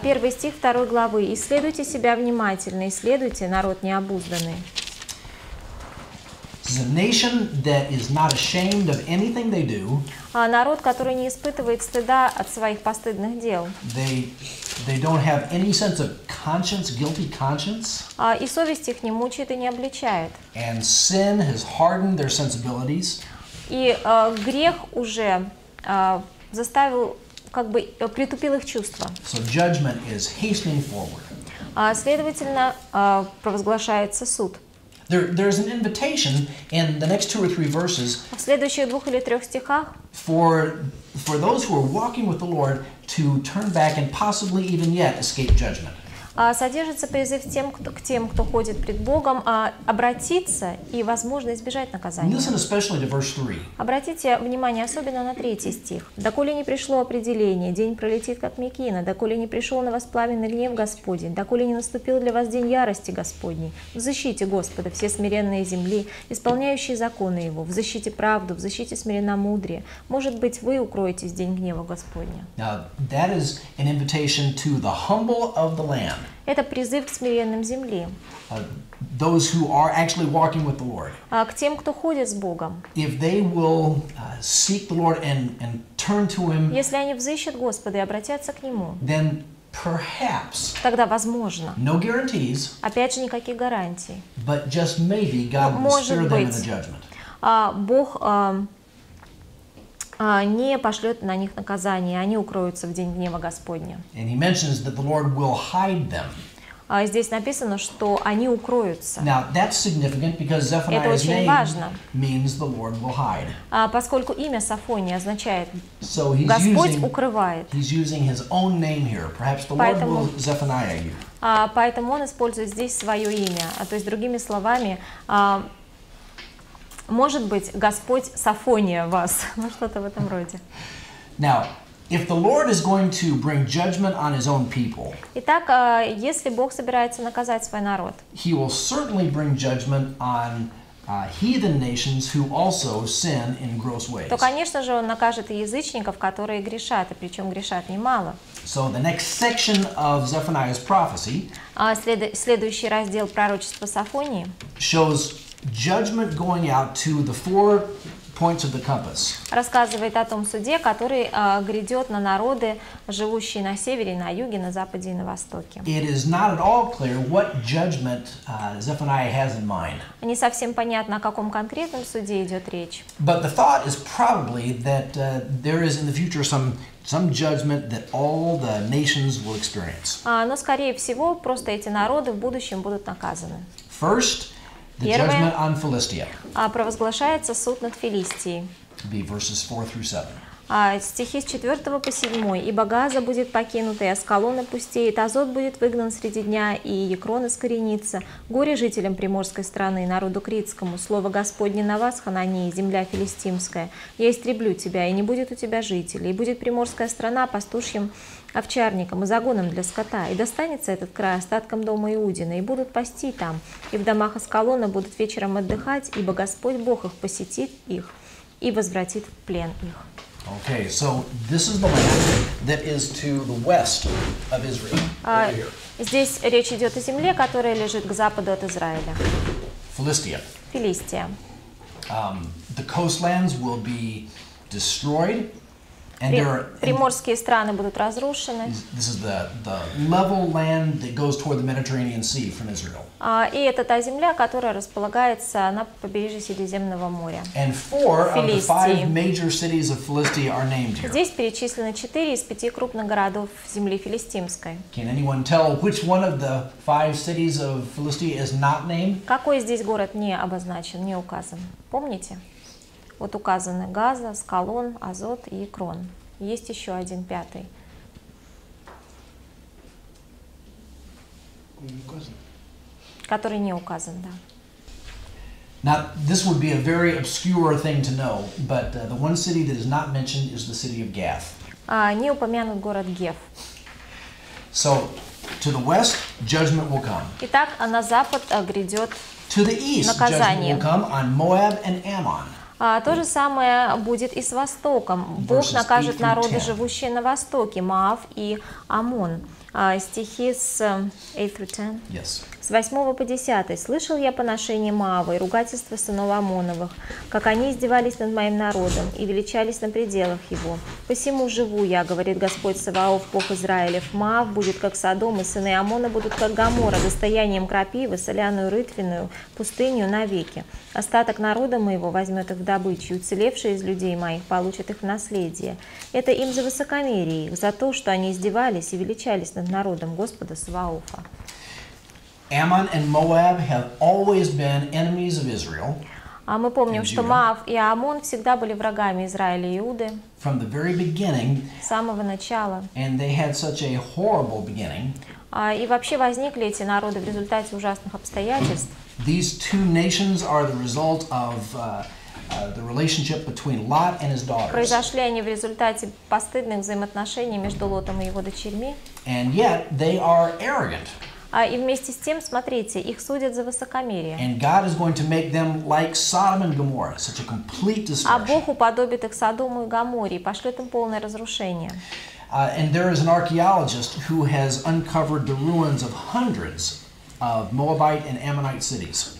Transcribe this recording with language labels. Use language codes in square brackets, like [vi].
[ru] Первый стих второй главы. Исследуйте себя внимательно, исследуйте народ необузданный. [en] It's a nation that is not ashamed of anything they do. [ru] Народ, который не испытывает стыда от своих постыдных дел. [en] They don't have any sense of conscience, guilty conscience. [ru] И совесть их не мучает и не обличает. [en] And sin has hardened their sensibilities. [ru] И грех уже заставил, как бы притупил их чувства. [en] So judgment is hastening forward. [ru] Следовательно, провозглашается суд. [en] There's an invitation in the next two or three verses. [ru] В следующих двух или трех стихах. [en] For those who are walking with the Lord to turn back and possibly even yet escape judgment. [ru] Содержится призыв к тем, кто ходит пред Богом, обратиться и, возможно, избежать наказания. [en] Listen especially to verse 3. [ru] Обратите внимание особенно на третий стих. «Доколе не пришло определение, день пролетит, как мекина, доколе не пришел на вас пламенный гнев Господень, доколе не наступил для вас день ярости Господней, взыщите Господа все смиренные земли, исполняющие законы Его, взыщите правду, взыщите смиренномудрие. Может быть, вы укроетесь день гнева Господня». [en] Now, that is an invitation to the humble of the land. [ru] Это призыв к смиренным земли. [en] Those who are actually walking with the Lord. [ru] К тем, кто ходит с Богом. [en] If they will seek the Lord and turn to Him. [ru] Если они взыщут Господа и обратятся к Нему. [en] Then perhaps. [ru] Тогда возможно. [en] No guarantees. [ru] Опять же, никаких гарантий. [en] But just maybe God will stir them in the judgment. [ru] Бог не пошлет на них наказание, они укроются в день гнева Господня. [en] And he mentions that the Lord will hide them. [ru] Здесь написано, что они укроются. [en] Now, that's significant because Zephaniah's name means the Lord will hide. [ru] Поскольку имя Сафония означает [en] so [ru] Господь укрывает. [en] He's using his own name here. Perhaps the Lord will Zephaniah you. [ru] Поэтому он использует здесь свое имя. То есть, другими словами, может быть, Господь Сафония вас. Ну, что-то в этом роде. [en] Now, if the Lord is going to bring judgment on his own people. [ru] Итак, если Бог собирается наказать свой народ. [en] He will certainly bring judgment on heathen nations who also sin in gross ways. [ru] То, конечно же, он накажет и язычников, которые грешат, и причем грешат немало. [en] So the next section of Zephaniah's prophecy. [ru] Следующий раздел пророчества Сафонии. [en] Shows judgment going out to the four points of the compass. [ru] Рассказывает о том суде, который грядет на народы, живущие на севере, на юге, на западе и на востоке. [en] It is not at all clear what judgment Zephaniah has in mind. [ru] Не совсем понятно, о каком конкретном суде идет речь. [en] But the thought is probably that there is in the future some judgment that all the nations will experience. [ru] Но скорее всего просто эти народы в будущем будут наказаны. [en] First. The judgment on Philistia. [ru] Провозглашается суд над Филистией. [en] Be verses 4 through 7. [ru] Стихи с 4 по 7. «Ибо Газа будет покинута, и Аскалон опустеет, Азот будет выгнан среди дня, и Екрон искоренится. Горе жителям приморской страны, народу критскому. Слово Господне на вас, Ханании, земля филистимская. Я истреблю тебя, и не будет у тебя жителей. И будет приморская страна пастушьим овчарником и загоном для скота. И достанется этот край остатком дома Иудина, и будут пасти там. И в домах Аскалона будут вечером отдыхать, ибо Господь Бог их посетит их и возвратит в плен их». [en] Okay, so this is the land that is to the west of Israel. [ru] Здесь речь идет о земле, которая лежит к западу от Израиля. [en] Philistia. [ru] Филистия. [en] The coastlands will be destroyed, and there are [ru] приморские страны будут разрушены. [en] This is the level land that goes toward the Mediterranean Sea from Israel. [ru] И это та земля, которая располагается на побережье Средиземного моря. [en] And four of the five major cities of Philistia are named here. [ru] Здесь перечислены 4 из 5 крупных городов земли филистимской. [en] Can anyone tell which one of the five cities of Philistia is not named? [ru] Какой здесь город не обозначен, не указан? Помните? Вот указаны Газа, Аскалон, Азот и Екрон. Есть еще один пятый. Не указан. Который не указан, да. [en] Now, this would be a very obscure thing to know, but the one city that is not mentioned is the city of Gath. [ru] Не упомянут город Геф. [en] So, to the west, judgment will come. [ru] Итак, а на запад грядет наказание. [en] To the east, judgment will come on Moab and Ammon. [ru] То же самое будет и с востоком. Бог накажет народы, живущие на востоке, Моав и Аммон. Стихи с 8 [en] through 10. Yes. [ru] С 8 по 10. «Слышал я поношение Моава и ругательство сынов Аммоновых, как они издевались над моим народом и величались на пределах его. Посему живу я, говорит Господь Саваоф, Бог Израилев. Моав будет как Содом, и сыны Аммона будут как Гоморра, достоянием крапивы, соляную рытвенную, пустыню навеки. Остаток народа моего возьмет их в добычу, уцелевшие из людей моих получат их в наследие. Это им за высокомерие их, за то, что они издевались и величались над народом Господа Саваофа». [en] Ammon and Moab have always been enemies of Israel. [ru] А мы помним, что Моав и Аммон всегда были врагами Израиля и Иуды. [en] From the very beginning. [ru] С самого начала. [en] And they had such a horrible beginning. [ru] И вообще возникли эти народы в результате ужасных обстоятельств. [en] These two nations are the result of the relationship between Lot and his daughters. [ru] Произошли они в результате постыдных взаимоотношений между Лотом и его дочерьми. [en] And yet they are arrogant. [ru] И вместе с тем, смотрите, их судят за высокомерие. [en] And God is going to make them like Sodom and Gomorrah, such a complete destruction. [ru] А Бог уподобит их Содому и Гоморре, пошлет им полное разрушение. [en] And there is an archaeologist who has uncovered the ruins of hundreds of Moabite and Ammonite cities.